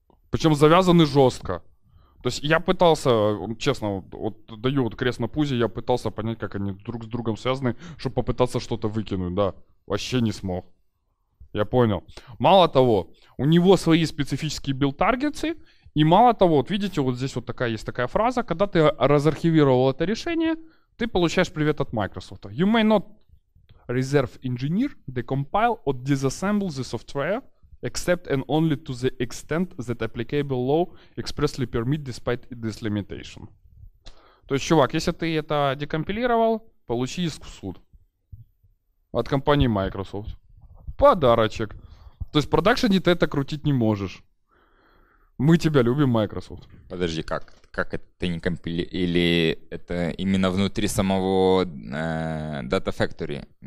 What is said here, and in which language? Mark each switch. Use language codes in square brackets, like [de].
[ru] Причем завязаны жестко. То есть я пытался, честно, вот даю вот крест на пузе, я пытался понять, как они друг с другом связаны, чтобы попытаться что-то выкинуть, да. Вообще не смог. Я понял. Мало того, у него свои специфические билд-таргетсы. И мало того, вот видите, вот здесь вот такая есть такая фраза, когда ты разархивировал это решение, ты получаешь привет от Microsoft. [en] You may not reserve engineer, decompile or disassemble the software, except and only to the extent that applicable law expressly permit despite this limitation. [ru] То есть, чувак, если ты это декомпилировал, получи иск в суд от компании Microsoft. Подарочек. То есть в продакшене ты это крутить не можешь. Мы тебя любим, Microsoft. Подожди, как? Как это не компили... Или это именно внутри самого Data Factory?